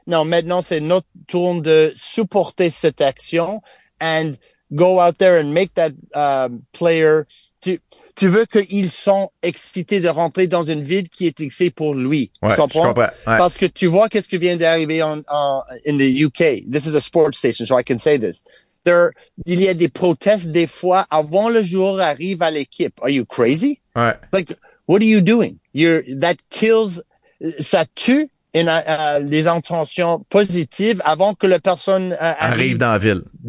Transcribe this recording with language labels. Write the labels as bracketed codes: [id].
[fr] Non, maintenant, c'est notre tour de supporter cette action [en] and go out there and make that player. [fr] Tu veux qu'ils sont excités de rentrer dans une ville qui est excitée pour lui. Ouais, tu comprends? Je comprends. Ouais. Parce que tu vois qu'est-ce qui vient d'arriver [en] in the UK. This is a sports station, so I can say this. [fr] Il y a des protestes des fois avant le joueur arrive à l'équipe. [en] Are you crazy? [fr] Ouais. [en] Like, what are you doing? That kills, [fr] ça tue. Et les intentions positives avant que la personne arrive dans la ville.